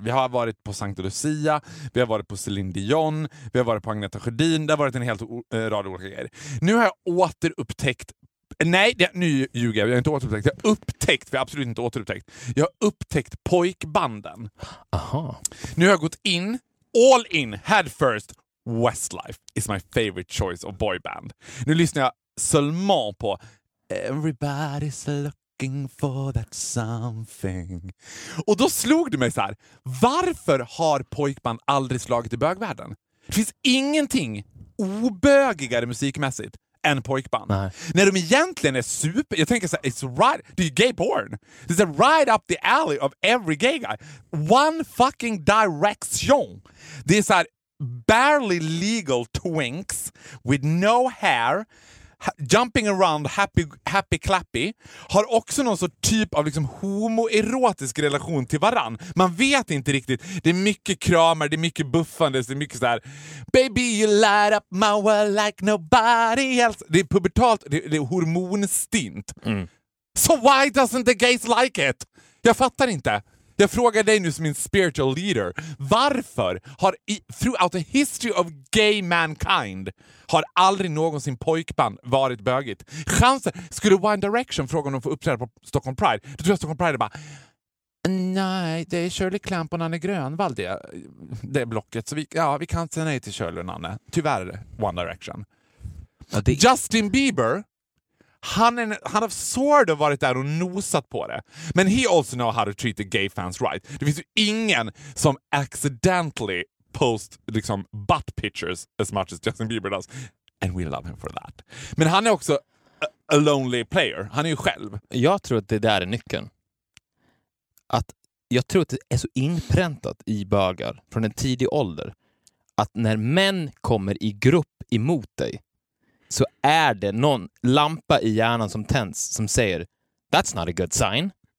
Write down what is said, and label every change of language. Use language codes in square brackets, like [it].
[sv] Vi har varit på Sankt Lucia, vi har varit på Celine Dion, vi har varit på Agneta Sjödin. Det har varit en helt rad olika grejer. Nu har jag återupptäckt... Nej, nu ljuger jag. Jag har inte återupptäckt. Jag har upptäckt, för jag har absolut inte återupptäckt. Jag har upptäckt pojkbanden. Aha. Nu har jag gått in, [en] all in, head first. Westlife is my favorite choice of boyband. [sv] Nu lyssnar jag seulement på Everybody's looking for that something. Och då slog det mig så här. Varför har pojkband aldrig slagit i bögvärlden? Det finns ingenting obögigare musikmässigt en pojkband. Nej. När de egentligen är super... Jag tänker så här, [en] it's right... [sv] Det är gay porn. [en] It's right up the alley of every gay guy. One fucking direction. [sv] Det är så här, [en] barely legal twinks with no hair... jumping around happy clappy, [sv] har också någon sån typ av liksom homoerotisk relation till varann. Man vet inte riktigt. Det är mycket kramar, det är mycket buffande, det är mycket så här [en] baby you light up my world like nobody else. [sv] Det är pubertalt, det är hormonstint. Mm. [en] So why doesn't the gays like it? [sv] Jag fattar inte. Jag frågar dig nu som min [en] spiritual leader. [sv] Varför har [en] throughout the history of gay mankind [sv] har aldrig någonsin pojkband varit bögigt? Chansen, skulle One Direction fråga om de får uppträda på Stockholm Pride? Då tror jag Stockholm Pride är bara nej, det är Shirley Clamp och Nanne Grönvall det blocket. Så vi kan inte säga nej till Shirley och Nanne. Tyvärr, One Direction. Justin Bieber... Han har [en] sort of [sv] varit där och nosat på det. [en] Men he also know how to treat the gay fans right. [sv] Det finns ju ingen som [en] accidentally post liksom butt pictures as much as Justin Bieber does. And we love him for that. [sv] Men han är också [en] a lonely player. [sv] Han är ju själv. Jag tror att det där är nyckeln. Att jag tror att det är så inpräntat i bögar från en tidig ålder att när män kommer i grupp emot dig så är det någon lampa i hjärnan som tänds som säger [en] that's not a good sign.